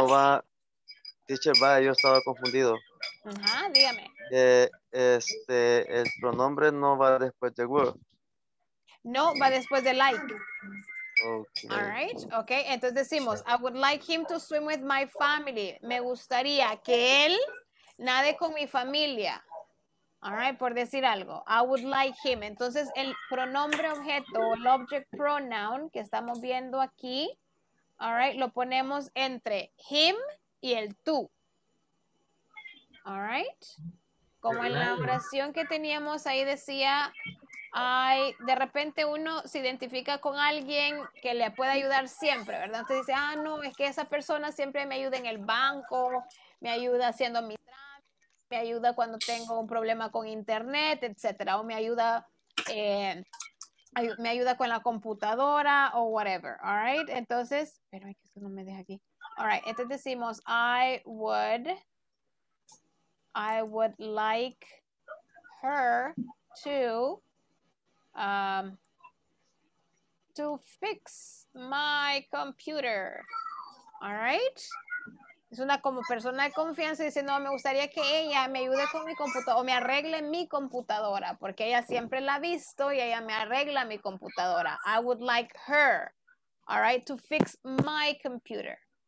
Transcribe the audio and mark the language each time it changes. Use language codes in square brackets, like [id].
[es] No va, teacher, va, yo estaba confundido. Dígame. El pronombre no va después de will. No, va después de like. [en] Okay. All right, okay. [es] Entonces decimos, [en] I would like him to swim with my family. [es] Me gustaría que él nade con mi familia. All right, por decir algo. [en] I would like him. [es] Entonces el pronombre objeto, el object pronoun que estamos viendo aquí, all right, lo ponemos entre him y el tú. All right. Como en la oración que teníamos ahí decía... Ay, de repente uno se identifica con alguien que le puede ayudar siempre, ¿verdad? Entonces dice, ah, no, es que esa persona siempre me ayuda en el banco, me ayuda haciendo mi trámite, me ayuda cuando tengo un problema con internet, etcétera, o me ayuda con la computadora o whatever, all right? Entonces, pero es que eso no me deja aquí. [en] All right, [es] entonces decimos, [en] I would like her to... to fix my computer. All right. [es] Es una como persona de confianza diciendo, me gustaría que ella me ayude con mi computadora o me arregle mi computadora, porque ella siempre la ha visto y ella me arregla mi computadora. [en] I would like her, all right, to fix my computer.